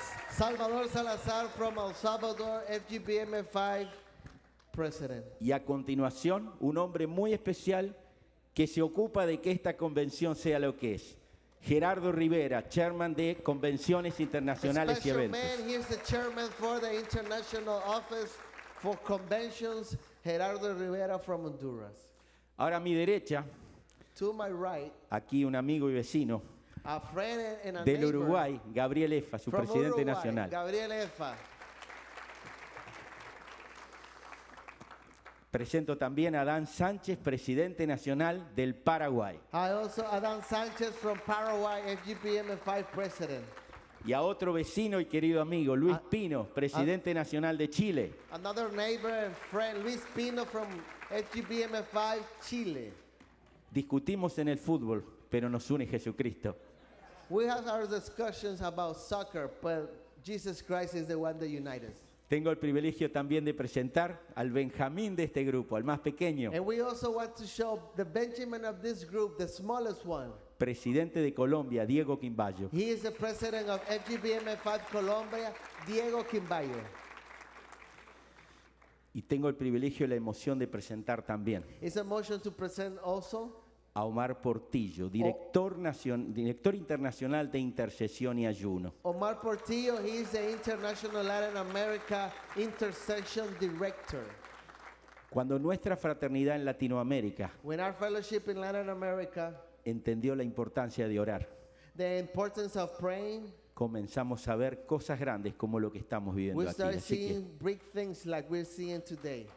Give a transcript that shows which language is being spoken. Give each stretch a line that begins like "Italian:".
English: Salvador Salazar from El Salvador, FGBMFI president.
Spanish: Y a continuación, un hombre muy especial que se ocupa de que esta convención sea lo que es. Gerardo Rivera, chairman de Convenciones Internacionales y Eventos.
English: Special man, he's the chairman for the International Office for Conventions, Gerardo Rivera from Honduras.
Spanish: Ahora a mi derecha,
English: to my right,
Spanish: aquí un amigo y vecino,
English: a friend and a neighbor,
Spanish: del Uruguay, Gabriel Efa, su presidente
English: Uruguay,
Spanish: nacional. Gabriel Efa. Presento también a Adán Sánchez, presidente nacional del Paraguay.
English: I also Adán Sánchez from Paraguay, FGBMFI president.
Spanish: Y a otro vecino y querido amigo, Luis Pino, presidente nacional de Chile.
English: Another neighbor and friend, Luis Pino from FGBMFI Chile.
Spanish: Discutimos en el fútbol, pero nos une Jesucristo.
English: We have our discussions about soccer, but Jesus Christ is the one that unites us.
Spanish: Tengo el privilegio también de presentar al Benjamín de este grupo, al más pequeño.
English: And we also want to show the Benjamin of this group, the smallest one.
Spanish: Presidente de Colombia, Diego Quimbayo.
English: He is the president of FGBMFI Colombia, Diego Quimbayo.
Spanish: Y tengo el privilegio y la emoción de presentar también.
English: It's a motion to present also.
Spanish: a Omar Portillo, director internacional de intercesión y ayuno.
English: Omar Portillo, he is the International Latin America Intercession Director.
Spanish: Cuando nuestra fraternidad en Latinoamérica,
English: when our fellowship in Latin America,
Spanish: entendió la importancia de orar,
English: the importance of praying,
Spanish: comenzamos a ver cosas grandes como lo que estamos viviendo
English: we
Spanish: aquí.
English: Start seeing big things like we're seeing today.